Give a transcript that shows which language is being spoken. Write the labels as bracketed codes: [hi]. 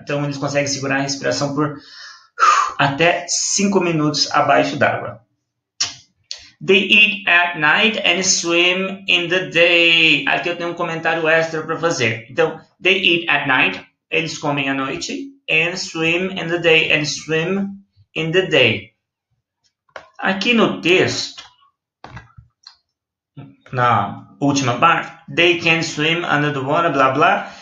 [pt] Então, eles conseguem segurar a respiração por até 5 minutos abaixo d'água. [en] They eat at night and swim in the day. [pt] Aqui eu tenho um comentário extra para fazer. Então, [en] they eat at night. [pt] Eles comem à noite. [en] And swim in the day. And swim in the day. [pt] Aqui no texto, na última parte, [en] they can swim under the water, [pt] blá, blá.